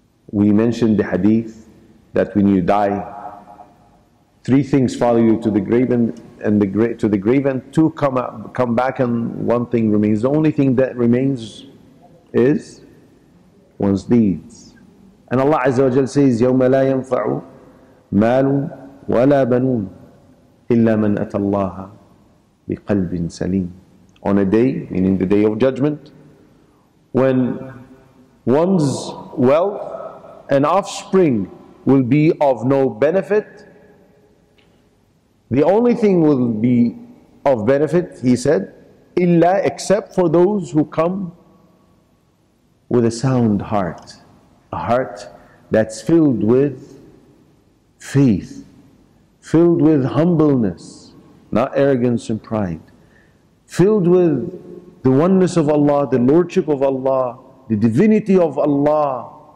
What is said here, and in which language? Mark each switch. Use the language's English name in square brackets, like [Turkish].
[English] We mentioned the hadith that when you die, three things follow you to the grave, and two come back, and one thing remains. The only thing that remains is one's deeds. And Allah Azza wa Jalla says, [Arabic] يوم لا ينفع مال ولا بنون إلا من أتى الله بقلب سليم. [English] On a day, meaning the day of judgment, when one's wealth and offspring will be of no benefit, the only thing will be of benefit, he said, illa, except for those who come with a sound heart, a heart that's filled with faith, filled with humbleness, not arrogance and pride, filled with the oneness of Allah, the lordship of Allah, the divinity of Allah.